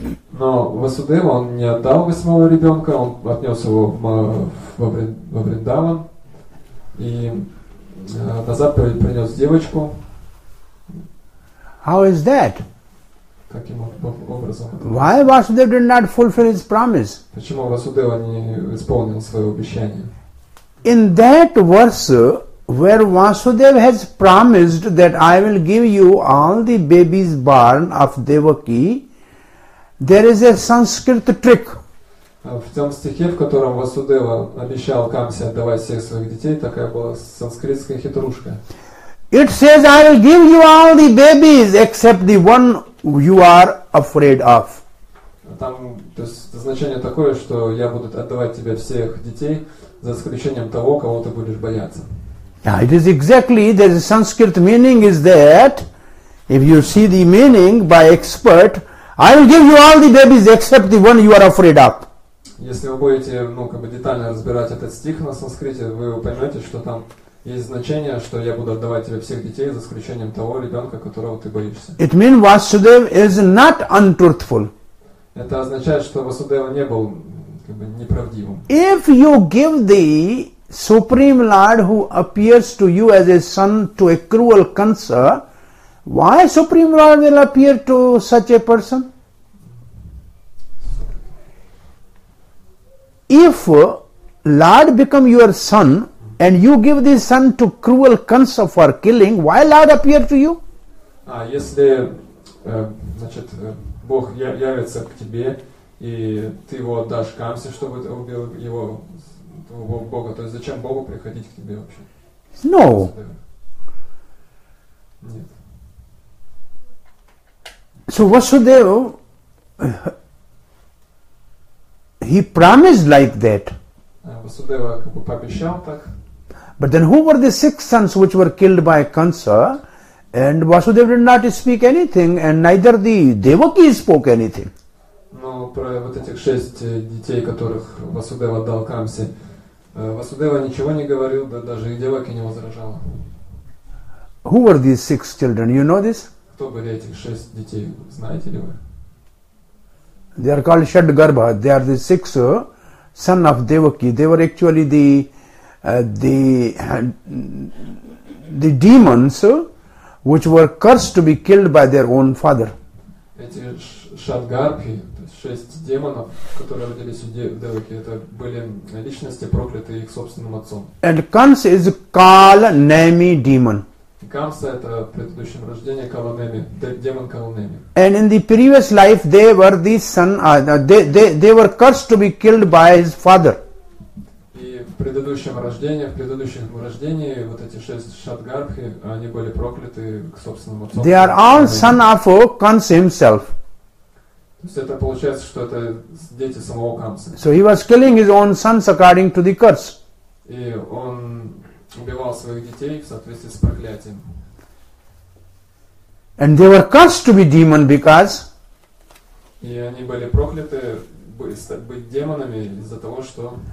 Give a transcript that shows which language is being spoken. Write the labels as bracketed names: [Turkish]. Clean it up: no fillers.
[Russian] Но Васудева он не отдал восьмого ребенка, он отнес его во Вриндаван и на заповедь принес девочку. [English] How is that? [Russian] Каким образом? [English] Why Vasudeva did not fulfill his promise? [Russian] Почему Васудева не исполнил свое обещание? [English] In that verse, where Vasudeva has promised that I will give you all the babies born of Devaki, there is a Sanskrit trick. [Russian] В том стихе, в котором Васудева обещал Камсе отдавать всех своих детей, такая была санскритская хитрушка. [English] It says, I will give you all the babies except the one you are afraid of. [Russian] Там, то есть, значение такое, что я буду отдавать тебе всех детей за исключением того, кого ты будешь бояться. [English] Now, it is exactly, there is a Sanskrit meaning is that, if you see the meaning by expert, I will give you all the babies except the one you are afraid of. [Russian] Если вы будете, ну, как бы детально разбирать этот стих на санскрите, вы поймете, что там есть значение, что я буду отдавать тебе всех детей за исключением того ребенка, которого ты боишься. [English] It means Vasudev is not untruthful. [Russian] Это означает, что Васудева не был, как бы, неправдивым. [English] If you give the Supreme Lord who appears to you as a son to a cruel Kansa, why Supreme Lord will appear to such a person? If Lord become your son and you give this son to cruel Kansa for killing, why Lord appear to you? [Russian] Если, значит, Бог явится к тебе и ты его отдашь Камсе, чтобы убил его, твоего Бога, то есть зачем Богу приходить к тебе вообще? [English] No. So Vasudev, he promised like that. [Russian] Vasudeva как бы пообещал так. [English] But then who were the six sons which were killed by Kansa? And Vasudev did not speak anything, and neither the Devaki spoke anything. [Russian] Но про вот этих шесть детей, которых Vasudeva дал Камсе, Vasudeva ничего не говорил, да даже и Деваки не возражала. [English] Who were these six children? You know this? [Russian] Кто были этих шесть детей, знаете ли вы? [English] They are called Shadgarbha. They are the six son of Devaki. They were actually the demons which were cursed to be killed by their own father. [Russian] Эти Shadgarbhi, шесть демонов, которые родились у Деваки, это были личности, проклятые их собственным отцом. [English] And Kansa is Kalanami demon. [Russian] Камса – это предыдущее рождение Каланеми, демон Каланеми. [English] And in the previous life, they were the son, they were cursed to be killed by his father. [Russian] И в предыдущем рождении, вот эти шесть Шатгарбхи, они были прокляты к собственному отцу. [English] They are all son of Kansa himself. [Russian] То есть это получается, что это дети самого Камса. [English] So he was killing his own sons according to the curse. [Russian] И он убивал своих детей в соответствии с проклятием. [English] And they were cursed to be demon because. [Russian] И они были прокляты быть демонами из-за того, что.